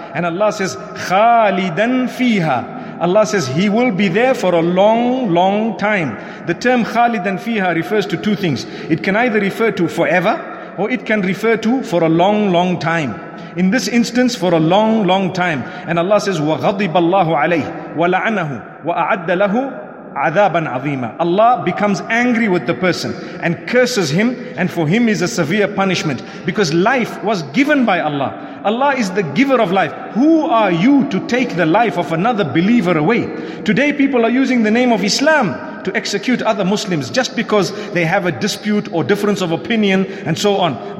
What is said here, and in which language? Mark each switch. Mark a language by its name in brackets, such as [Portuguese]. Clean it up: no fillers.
[English] And Allah says, [Arabic] خَالِدًا فِيهَا. [English] Allah says he will be there for a long, long time. The term [Arabic] خَالِدًا فِيهَا [English] refers to two things. It can either refer to forever, or it can refer to for a long, long time. In this instance, for a long, long time. [Arabic] And Allah says, وَغَضِبَ اللَّهُ عَلَيْهِ وَلَعَنَهُ وَأَعَدَّ لَهُ عَذَابًا عَظِيمًا. [English] Allah becomes angry with the person and curses him, and for him is a severe punishment, because life was given by Allah. Allah is the giver of life. Who are you to take the life of another believer away? Today people are using the name of Islam to execute other Muslims just because they have a dispute or difference of opinion and so on.